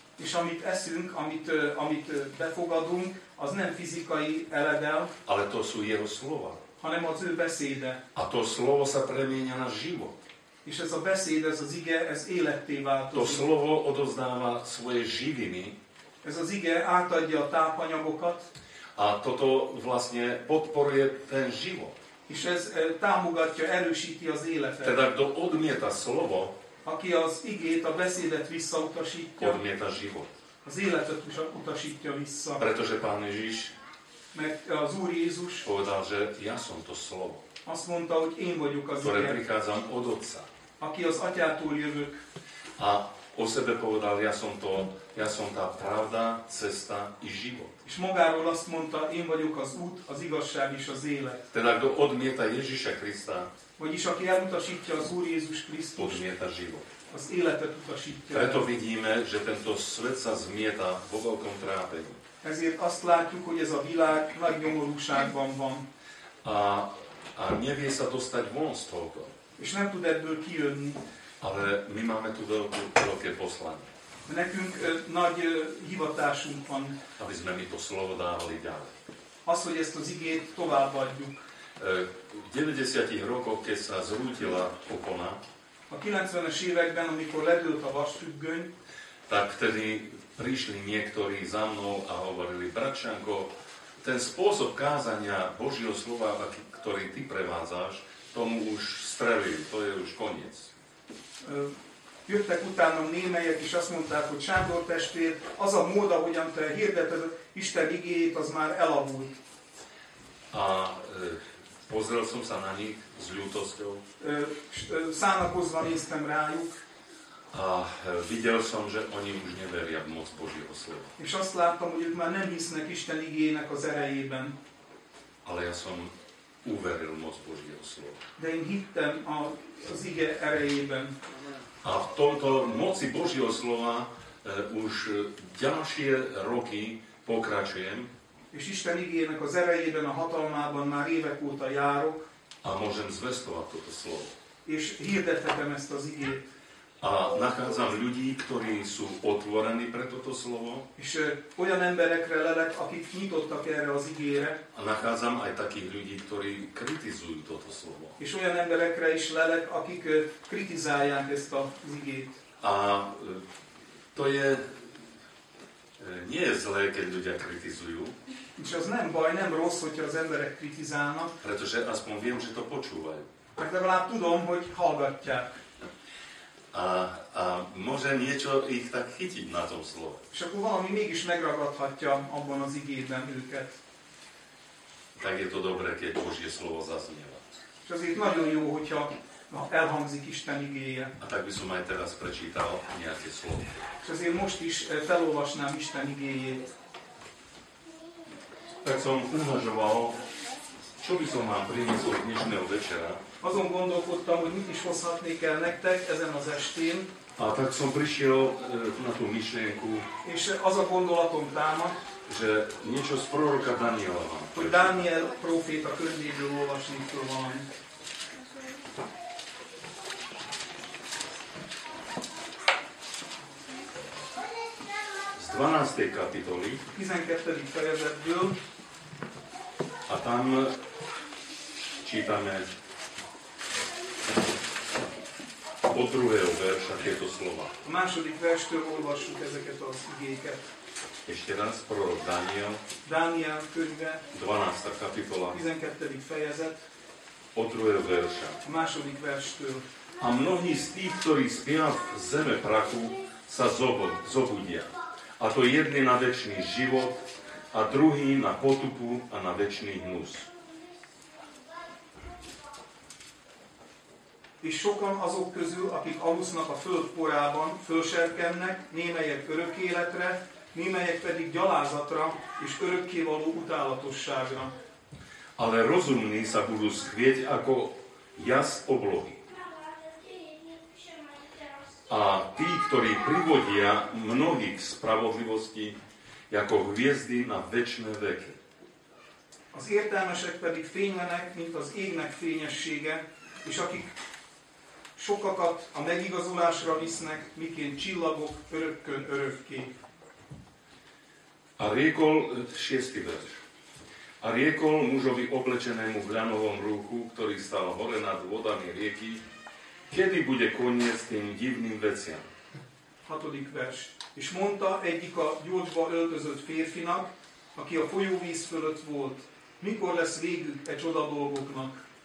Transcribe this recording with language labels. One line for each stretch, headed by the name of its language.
Hungarian: És amit eszünk, amit befogadunk, az nem fyzikai eledel.
Slovak: Ale to sú jeho slova.
Hungarian: Hanem az ő beszéde.
Slovak: A to slovo sa premienia na život.
Hungarian: És ez a beszéd, ez az ige, ez életté változik.
Slovak: To slovo odozdáva svoje živiny.
Hungarian: Ez az ige átadja a tápanyagokat.
Slovak: A toto vlastne podporuje ten život.
Hungarian: És ez támogatja, erősíti az életet.
Slovak: Teda kto odmieta slovo,
Hungarian: aki az igét, a beszédet visszautasítja,
Slovak: odmieta život.
Hungarian: Az életet is utasítja vissza.
Slovak: Pretože Pán Ježiš,
Hungarian: mert az Úr Jézus
Slovak: povedal, že ja som to slovo,
Hungarian: azt mondta, hogy én vagyok az
Slovak: ktoré igen, prichádzam od Otca,
Hungarian: aki az Atyától jövök,
Slovak: a o sebe povedal, ja som tá pravda, cesta i život.
Hungarian: És magáról azt mondta, én vagyok az út, az igazság és az élet.
Slovak: Teda kto odmieta Ježiša Krista,
Hungarian: vagyis aki elutasítja az Úr Jézus Krisztus,
Slovak: odmieta život.
Hungarian: Az életet utasítja.
Slovak: Preto vidíme, že tento svet sa zmieta vo veľkom trápení.
Hungarian: Ezért azt látjuk, hogy ez a világ nagy nyomorúságban van.
Slovak: A nevie sa dostať von z tohoto.
Hungarian: És nem tud ebből kijönni.
Slovak: Ale my máme tu veľké poslanie.
Hungarian: Nekünk nagy hivatásunk van.
Slovak: Aby sme mi to slovo dávali ďalej.
Hungarian: Az, hogy ezt az igét továbbadjuk.
Slovak: V 90 rokoch, keď sa zrútila opona,
Hungarian: a 90-es években, amikor ledült a vasfüggöny,
Slovak: tak vtedy prišli niektorí za mnou a hovorili, bratčanko, ten spôsob kázania Božieho slova, ktorý ty prevádzaš, tomu už strelil, to je už koniec.
Hungarian: Jöttek utána némelyek, és azt mondták, hogy Sándor testvér, az a mód, ahogyan te hirdeted Isten igéjét, az már elavult.
Slovak: A pozrel som sa na nich s ľútosťou.
Hungarian: Szánakozva néztem rájuk.
Slovak: A videl som, že oni už neveria v moc Božieho slova.
Hungarian: És azt láttam, hogy ők már nem hisznek Isten igéjének az erejében.
Slovak: Ale ja som uveril moc Božieho slova.
Hungarian: De én hittem az ige erejében.
Slovak: A v tomto moci Božieho slova už ďalšie roky pokračujem.
Hungarian: És Isten igéjének az erejében, a hatalmában már évek óta járok.
Slovak: A môžem zvestovať toto slovo.
Hungarian: És hirdetetem ezt az igét.
Slovak: A nachádzam ľudí, ktorí sú otvorení pre toto slovo.
Hungarian: És olyan emberekre lelek, akik nyitottak erre az igére.
Slovak: A nachádzam aj takých ľudí, ktorí kritizujú toto slovo.
Hungarian: És olyan emberekre is lelek, akik kritizálják ezt az igét.
Slovak: A to je... Nie je zlé, keď ľudia kritizujú.
Hungarian: És az nem baj, nem rossz, hogyha az emberek kritizálnak.
Slovak: Pretože aspoň viem, že to počúvajú.
Hungarian: Mert legalább tudom, hogy hallgatják.
Slovak: A Może niečo ich tak chytiť na tom slove.
Hungarian: És akkor valami mégis megragadhatja abban az igében őket.
Slovak: Tak je to dobré, keď Božie slovo zaznieva.
Hungarian: És azért nagyon jó, hogyha elhangzik Isten igéje.
Slovak: A tak by som aj teraz prečítal nejaké slovo.
Hungarian: És azért most is felolvasnám Isten igéjét.
Slovak: Tak som uvažoval, čo by som vám priniesol dnešného večera.
Hungarian: Azon gondolkodtam, hogy mit is hozhatnék el nektek ezen az estén.
Slovak: A tak som prišiel na tú myšlienku.
Hungarian: És az a gondolatom támad,
Slovak: že niečo z proroka Daniela vám.
Hungarian: Hogy Daniel proféta könyvéből olvasni tudom valami.
Slovak: Z 12. kapitoli.
Hungarian: 12. fejezetből.
Slovak: A tam čítame od druhého verša tieto slova.
Hungarian: A második verstől olvassuk ezeket az igéket.
Slovak: Ešte raz, prorok Daniel.
Hungarian: Daniel könyve.
Slovak: 12. kapitola.
Hungarian: 12. fejezet.
Slovak: Od druhého verša.
Hungarian: A második verstől.
Slovak: A mnohí z tých, ktorí spia v zeme prachu, sa zobudia. A to jedni na večný život, a druhý na potupu a na večný hnus.
Hungarian: És sokan azok közül, akik alusznak a föld porában, fölserkennek, némelyek örök életre, némelyek pedig gyalázatra és örökkévaló utálatosságra.
Slovak: Ale rozumní sa budú skvieť ako jas oblohy. A tí, ktorí privodia mnohých spravodlivosti, ako hviezdy na večné veky.
Hungarian: Az értelmesek pedig fénylenek, mint az égnek fényessége, és akik sokakat a megigazolásra visznek, miként csillagok örökkön örökké.
Slovak: A riekol, 6. verš. A riekol mužovi oblečenému v ľanovom rúchu, ktorý stál hore nad vodami rieky, kedy bude koniec tým divným veciam? 6. verš.
Hungarian: És mondta egyik a gyócsba öltözött férfinak, aki a folyóvíz fölött volt, mikor lesz végük e csoda dolgoknak?